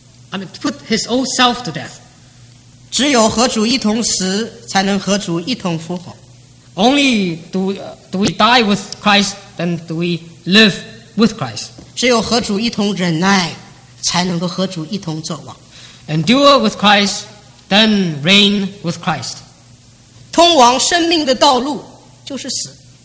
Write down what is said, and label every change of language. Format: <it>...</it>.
<en>I mean, put his old self to death.</en> <zh>只有和主一同死，才能和主一同复活。</zh> <en>Only do we die with Christ, then do we live with Christ.</en> <zh>只有和主一同忍耐，才能够和主一同作王。</zh> <en>Endure with Christ, then reign with Christ.</en> <zh>通往生命的道路就是死。</zh>